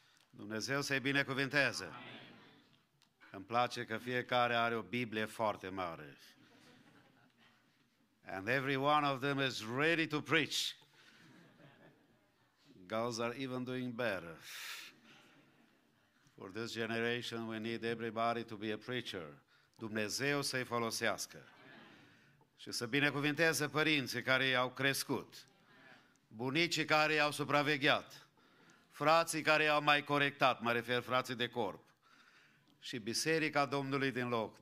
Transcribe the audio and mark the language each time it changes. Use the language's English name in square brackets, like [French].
[Romanian] Dumnezeu să-i binecuvinteze. Îmi place că fiecare are o Biblie foarte mare. [English] And every one of them is ready to preach. Girls are even doing better. For this generation, we need everybody to be a preacher. [Romanian] Dumnezeu să-i folosească. Și să binecuvinteze părinții care i-au crescut, bunicii care i-au supravegheat, frații care i-au mai corectat, mă refer frații de corp, și biserica Domnului din loc.